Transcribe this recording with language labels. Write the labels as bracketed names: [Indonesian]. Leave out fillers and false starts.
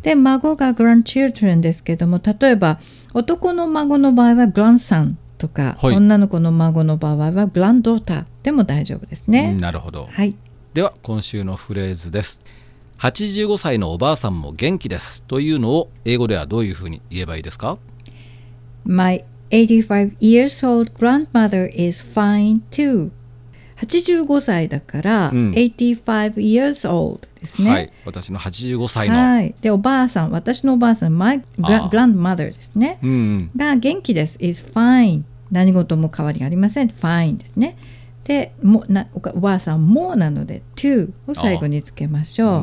[Japanese] で、孫が grandchildren ですけれども、例えば男の孫の場合は grandson。とか、はい、女の子の孫の場合はグランドーターでも大丈夫ですね。なるほど、はい、では今週のフレーズです。85歳のおばあさんも元気ですというのを英語ではどういうふうに言えばいいですか？ [English] My 85 years old grandmother is fine too。 [Japanese] 85歳だから、うん、 [English] 85 years old [Japanese] ですね、はい、私の85歳の、はい、でおばあさん、私のおばあさん、マイグランドマザーですね、うんうん、が元気です。 [English] is fine、 [Japanese] 何事も変わりありません。 fine ですね。でもな、おばあさんもなので to を最後につけましょう。